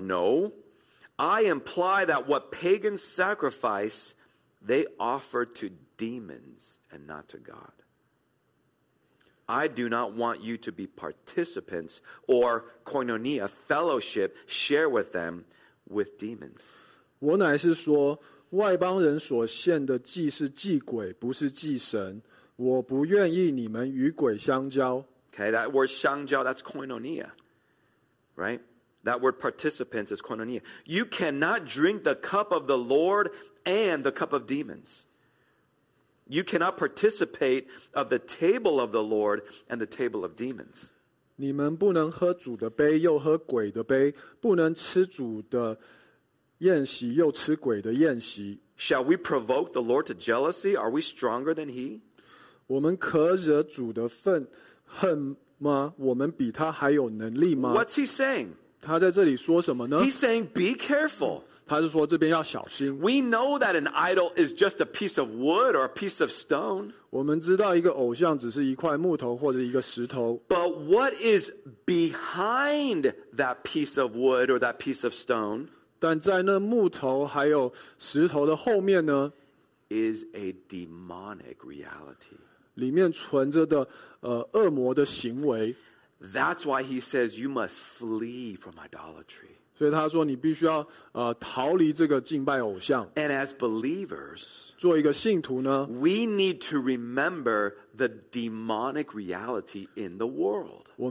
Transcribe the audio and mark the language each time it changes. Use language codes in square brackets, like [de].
[en] No, I imply that what pagans sacrifice, they offer to demons and not to God. I do not want you to be participants or koinonia, fellowship, share with them with demons. [zh] 我乃是说，外邦人所献的祭是祭鬼，不是祭神。我不愿意你们与鬼相交。Okay, [en] that word 相交, that's koinonia, right? That word participants is koinonia. You cannot drink the cup of the Lord and the cup of demons. You cannot participate of the table of the Lord and the table of demons. [zh] 你们不能喝主的杯，又喝鬼的杯，不能吃主的 [en] Shall we provoke the Lord to jealousy? Are we stronger than He? [zh] 我们可惹主的愤恨吗? 我们比他还有能力吗? [en] What's He saying? [zh] 他在这里说什么呢? [en] He's saying, be careful. [zh] 他是说这边要小心。 [en] We know that an idol is just a piece of wood or a piece of stone. [zh] 我们知道一个偶像只是一块木头或者一个石头。 [en] But what is behind that piece of wood or that piece of stone? [zh] 但在那木头还有石头的后面呢? [en] Is a demonic reality. [zh] 里面存着的恶魔的行为。 [en] That's why he says you must flee from idolatry. [zh] 所以他说你必须要逃离这个敬拜偶像。 [en] And as believers, [zh] 作一个信徒呢, [en] we need to remember the demonic reality in the world.